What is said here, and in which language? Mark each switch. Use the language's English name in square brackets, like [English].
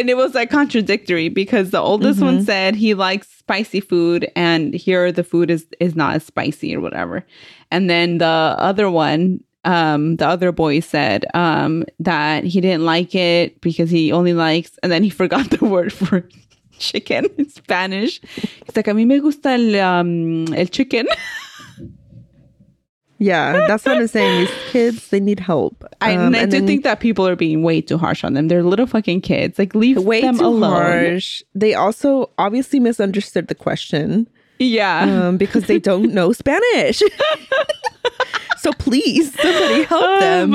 [English] and it was like contradictory because the oldest one said he likes spicy food and here the food is not as spicy or whatever. And then the other one, the other boy said that he didn't like it because he only likes... And then he forgot the word for chicken in Spanish. [Spanish] He's like, a mí me gusta el chicken. [English] Yeah, that's what I'm saying. These kids, they need help. I think that people are being way too harsh on them. They're little fucking kids. Like, leave way them too alone. Harsh. They also obviously misunderstood the question. Yeah. Because they don't know Spanish. So please, somebody help them.